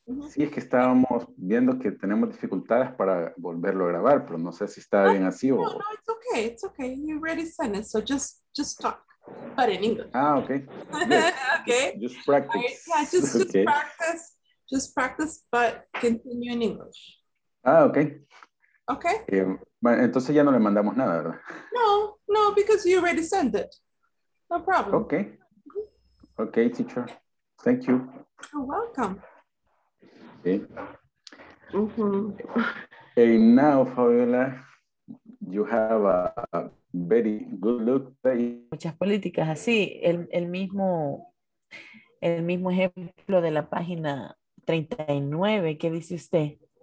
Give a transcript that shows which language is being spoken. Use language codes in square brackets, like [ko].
[es] Sí, es que estábamos viendo que tenemos dificultades para volverlo a grabar, pero no sé si está bien así o... [en] No, no, it's okay, it's okay. You already sent it, so just talk, but in English. Ah, okay. Yes. Okay. Just practice. Right. Yeah, just okay. Practice, just practice, but continue in English. Ah, okay. Okay. [es] Bueno, entonces ya no le mandamos nada, ¿verdad? [en] No, no, because you already sent it. No problem. Okay. Mm-hmm. Okay, teacher. Thank you. You're welcome. Okay. Mm-hmm. And now, Fabiola, you have a very good look. [es] Muchas políticas así, el mismo ejemplo de la página 39, ¿qué dice usted?